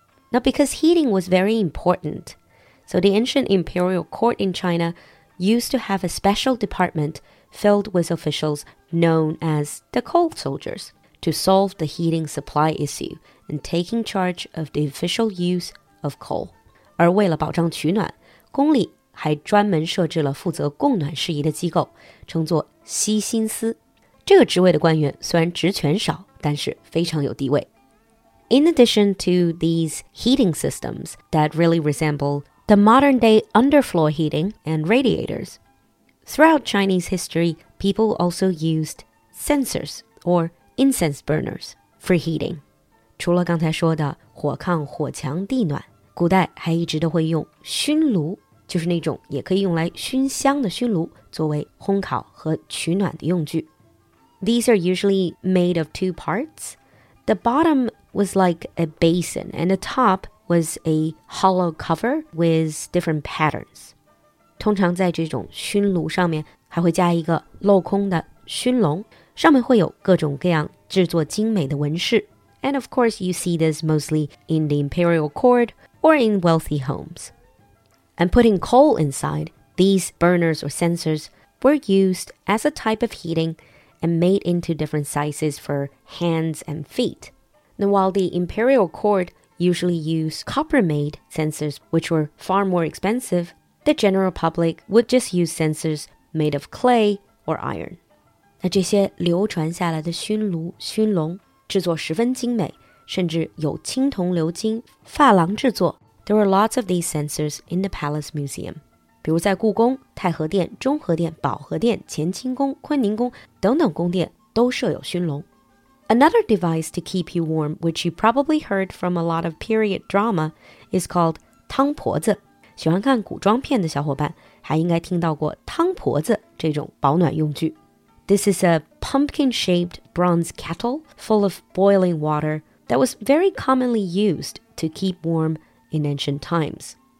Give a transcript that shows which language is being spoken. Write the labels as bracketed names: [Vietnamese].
[English] Now, because heating was very important, so the ancient imperial court in China used to have a special department filled with officials known as the coal soldiers to solve the heating supply issue and taking charge of the official use of coal. [Chinese] 而为了保障取暖，宫里还专门设置了负责供暖事宜的机构，称作悉心司。这个职位的官员虽然职权少，但是非常有地位。 [English] In addition to these heating systems that really resemble the modern-day underfloor heating and radiators, throughout Chinese history, people also used censers or incense burners for heating. [Chinese] 除了刚才说的火炕、火墙、地暖，古代还一直都会用熏炉，就是那种也可以用来熏香的熏炉，作为烘烤和取暖的用具。 [English] These are usually made of two parts. The bottom was like a basin, and the top was a hollow cover with different patterns. [Chinese] 通常在这种熏炉上面还会加一个镂空的熏笼，上面会有各种各样制作精美的纹饰。 [English] And of course, you see this mostly in the imperial court or in wealthy homes. And putting coal inside, these burners or censers were used as a type of heating and made into different sizes for hands and feet. Now, while the imperial court usually used copper-made censers, which were far more expensive, the general public would just use censers made of clay or iron. [Chinese] 那这些流传下来的熏炉、熏笼制作十分精美，甚至有青铜鎏金、珐琅制作。 [English] There were lots of these censers in the palace museum. [Chinese] 比如在故宫、太和殿、中和殿、保和殿、乾清宫、坤宁宫等等宫殿都设有熏笼。 [English] Another device to keep you warm, which you probably heard from a lot of period drama, is called [Chinese] 汤婆子。喜欢看古装片的小伙伴还应该听到过汤婆子这种保暖用具。 [English] This is a pumpkin-shaped bronze kettle full of boiling water that was very commonly used to keep warm in ancient times.